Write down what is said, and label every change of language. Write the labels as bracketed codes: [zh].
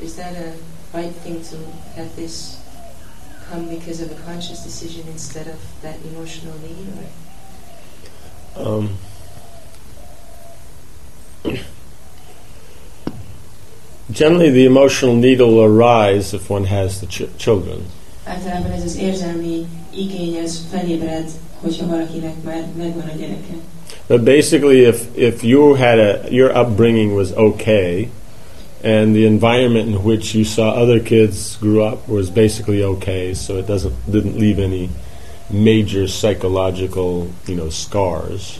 [en] Is that a right thing to have this come because of a conscious decision instead of that emotional need? Or? Generally, the emotional need will arise if one has the children. [hu] Általában ez az érzelmi igény ez felébred, hogyha valakinek már megvan a gyereke. [en] But basically, if you had a your upbringing was okay, and the environment in which you saw other kids grew up was basically okay, so it didn't leave any major psychological, you know, scars.